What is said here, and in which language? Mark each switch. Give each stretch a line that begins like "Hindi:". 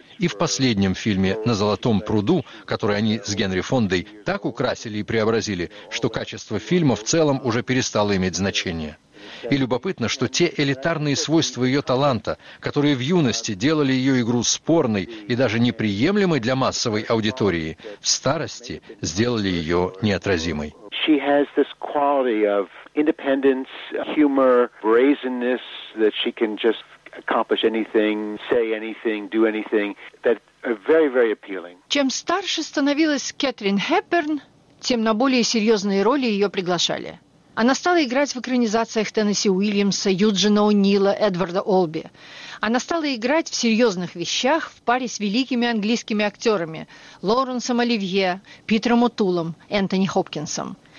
Russian: И в последнем фильме «На золотом пруду», который они с Генри Фондой так украсили и преобразили, что качество фильма в целом уже перестало иметь значение. И любопытно, что те элитарные свойства ее таланта, которые в юности делали ее игру спорной и даже неприемлемой для массовой аудитории, в старости сделали ее неотразимой.
English: She has this quality of independence, humor, brazenness, that she can just accomplish anything, say anything, do anything, that are very, very appealing.
Russian: Чем старше становилась Кэтрин Хепберн, тем на более серьезные роли ее приглашали. Она стала играть в экранизациях Теннесси Уильямса, Юджина О'Нила, Эдварда Олби. Она стала играть в серьезных вещах в паре с великими английскими актерами Лоуренсом Оливье, Питером О'Тулом, Энтони Хопкинсом.